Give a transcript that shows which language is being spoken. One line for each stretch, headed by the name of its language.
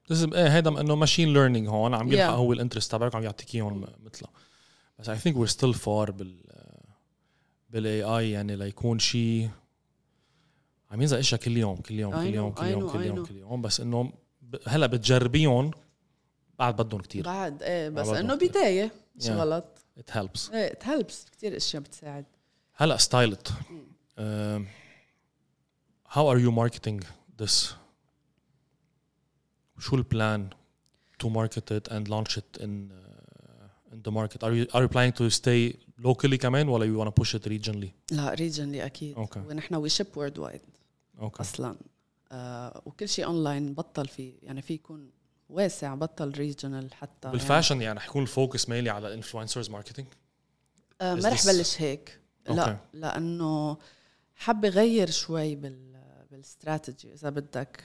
Arabic: بس ايه هيدا انه machine learning هون عم يلحق هو الانترست تبعك عم يعطيك اياهم مثله بس
English: I think we're still far
Arabic: بال AI يعني ليكون شيء عم ينزل اشياء كل يوم كل يوم كل يوم كل يوم كل يوم كل يوم بس انه هلا بتجربيهم بعد بدهم كتير بعد ايه بس انه بداية مش غلط
English: it helps
Arabic: ايه
English: it helps
Arabic: كتير اشياء بتساعد
English: هلا styled how are you marketing this
Arabic: شو البلان
English: to market it and launch it in the market are you planning to stay locally
Arabic: كمان ولا
English: you want to push it regionally
Arabic: لا regionally اكيد
English: okay. ونحن we ship worldwide okay.
Arabic: اصلا وكل شيء اونلاين بطل في يعني في يكون واسع بطل regional حتى بالفاشن يعني رح يكون الفوكس مالي على influencers marketing ما رح بلش هيك
English: okay.
Arabic: لا لانه حابه غير شوي بالاستراتيجي اذا بدك